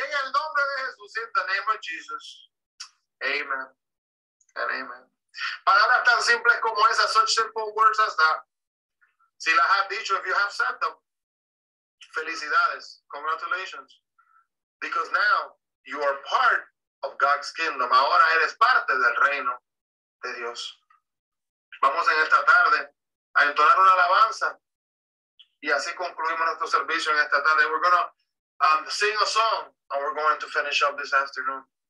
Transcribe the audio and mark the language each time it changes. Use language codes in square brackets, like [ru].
[es] En el nombre de Jesús, [en] in the name of Jesus. Amen. And amen. [es] Palabras tan simples como esas, [en] such simple words as that. [es] Si las has dicho, [en] if you have said them, [es] felicidades, [en] congratulations. Because now you are part of God's kingdom. [es] Ahora eres parte del reino de Dios. Vamos en esta tarde a entonar una alabanza. Y así concluimos nuestro servicio en esta tarde. [en] We're going to sing a song and we're going to finish up this afternoon.